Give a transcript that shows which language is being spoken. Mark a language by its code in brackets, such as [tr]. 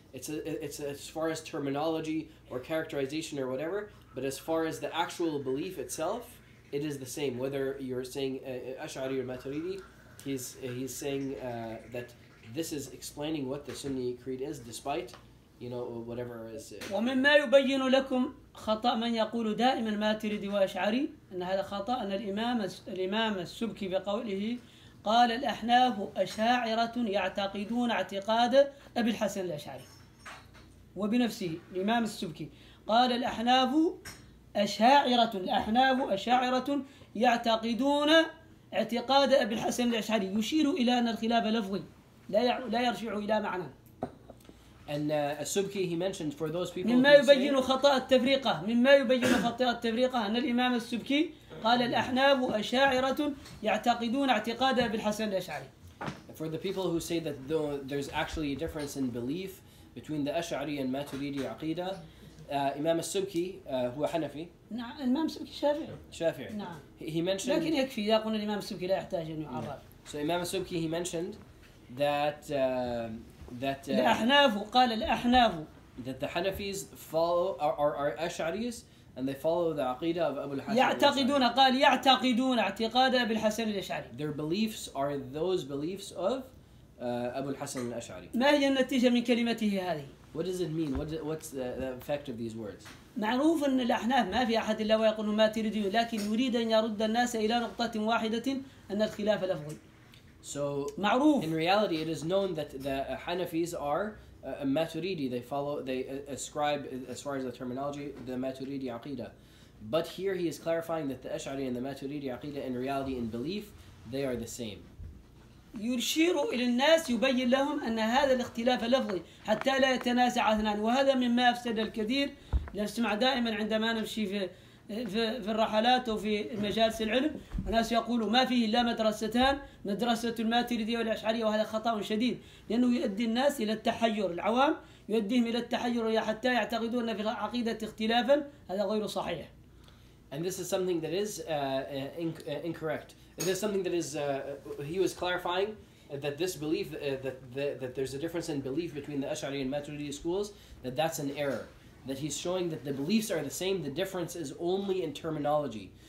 [en] It's as far as terminology or characterization or whatever. But as far as the actual belief itself, it is the same. Whether you're saying Ash'ari or Maturidi, he's saying that this is explaining what the Sunni creed is, despite you know whatever is. [ar] ومما يبين لكم خطأ من يقول دائما ماتريدي وأشعري أن هذا خطأ أن الإمام السبكي بقوله قال الأحناف أشاعرة يعتقدون اعتقاد أبي الحسن الأشعري وبنفسه الإمام السبكي قال الأحناف أشاعرة الأحناف أشاعرة يعتقدون اعتقاد أبي الحسن الأشعري يشير إلى أن الخلاف لفظي لا يرجع إلى معنى [en] And Subki, he mentioned for those people. [ar] مما يبين خطأ التفريقة. مما يبين خطأ التفريقة أن الإمام السبكي قال الأحناف أشاعرة يعتقدون اعتقاد أبي الحسن الأشعري. [en] For the people who say that though there's actually a difference in belief between the Ash'ari and Maturidi عقيدة, Imam Subki [ar] هو حنفي. نعم الإمام السبكي شافعي. شافعي. نعم. [en] He mentioned. [ar] لكن يكفي يقول الإمام السبكي لا يحتاج أن يعرف. [en] So Imam Subki he mentioned that. [ar] الأحناف قال الأحناف [en] that the Hanafis follow are Ash'aris and they follow the عقيده of Abu al-Hasan [ar] يعتقدون قال يعتقدون اعتقاد أبي الحسن الأشعري [en] their beliefs are those beliefs of Abu al-Hasan al-Ash'ari [ar] ما هي النتيجة من كلمته هذه [en] what does it mean what's the effect of these words [ar] معروف أن الأحناف ما في أحد إلا ويقول ما تريد لكن يريد أن يرد الناس إلى نقطة واحدة أن الخلاف لفظي [en] So [ar] معروف. [en] In reality, it is known that the Hanafis are Maturidi. They follow, they ascribe, as far as the terminology, the Maturidi Aqidah. But here he is clarifying that the Ash'ari and the Maturidi Aqidah, in reality, in belief, they are the same. [ar] يشير إلى الناس يبين لهم أن هذا الاختلاف لفظي حتى لا يتنازع اثنان وهذا مما أفسد الكثير. نسمع دائما عندما نمشي في الرحلات وفي مجالس العلم وناس يقولوا ما فيه إلا مدرستان، مدرسة الماتريدية والأشعرية، وهذا خطأ شديد، لأنه يؤدي الناس إلى التحير، العوام يؤديهم إلى التحير حتى يعتقدوا أن في العقيدة اختلافا، هذا غير صحيح. [en] And this is something that is incorrect. This is something that is he was clarifying that this belief that there's a difference in belief between the Ash'ari and Maturidi schools, that that's an error. That he's showing that the beliefs are the same, the difference is only in terminology.